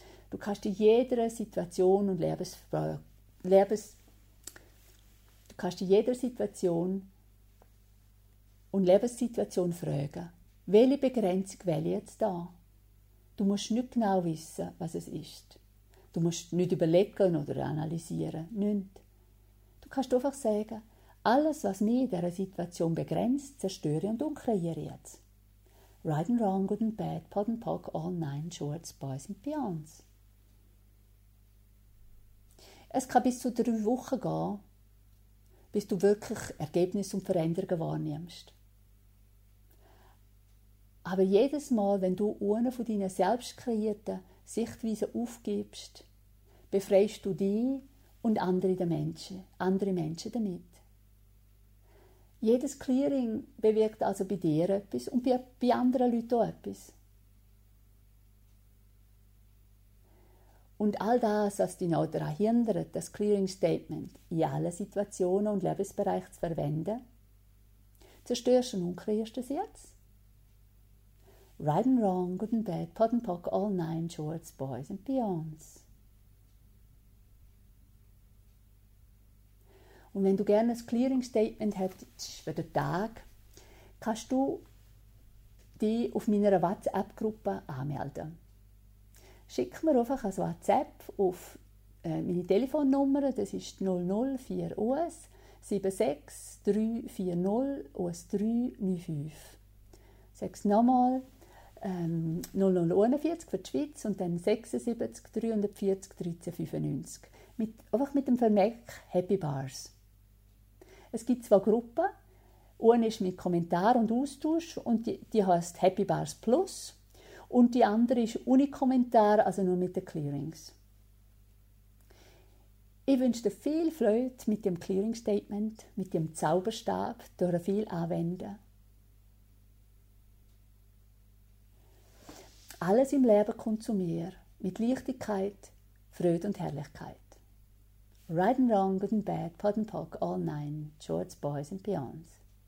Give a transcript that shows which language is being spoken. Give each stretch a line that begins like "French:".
German: Du kannst in jeder Situation und Lebenssituation fragen, welche Begrenzung wähle ich jetzt da? Du musst nicht genau wissen, was es ist. Du musst nicht überlegen oder analysieren, nicht. Kannst du einfach sagen, alles, was mich in dieser Situation begrenzt, zerstöre und unkreiere jetzt.
English: Right and wrong, good and bad, pot and pock, all nine, shorts, boys and beyonds.
German: Es kann bis zu 3 Wochen gehen, bis du wirklich Ergebnisse und Veränderungen wahrnimmst. Aber jedes Mal, wenn du ohne von deiner selbst kreierten Sichtweise aufgibst, befreist du dich, und andere Menschen damit. Jedes Clearing bewirkt also bei dir etwas und bei anderen Leuten auch etwas. Und all das, was dich noch daran hindert, das Clearing Statement in allen Situationen und Lebensbereichen zu verwenden, zerstörst du und kreierst es jetzt.
English: Right and wrong, good and bad, pot and pock, all nine, shorts, boys and beyonds.
German: Und wenn du gerne ein Clearing Statement hättest für den Tag, kannst du dich auf meiner WhatsApp-Gruppe anmelden. Schick mir einfach ein WhatsApp auf meine Telefonnummer, das ist 004US 76340US 395. Sag es nochmal, 0041 für die Schweiz und dann 76 340 1395. Einfach mit dem Vermerk Happy Bars. Es gibt zwei Gruppen. Eine ist mit Kommentar und Austausch und die heisst Happy Bars Plus. Und die andere ist ohne Kommentar, also nur mit den Clearings. Ich wünsche dir viel Freude mit dem Clearing Statement, mit dem Zauberstab, durch viel anwenden. Alles im Leben kommt zu mir, mit Leichtigkeit, Freude und Herrlichkeit.
English: Right and wrong, good and bad, pod and pock, all nine, shorts, boys and beyonds.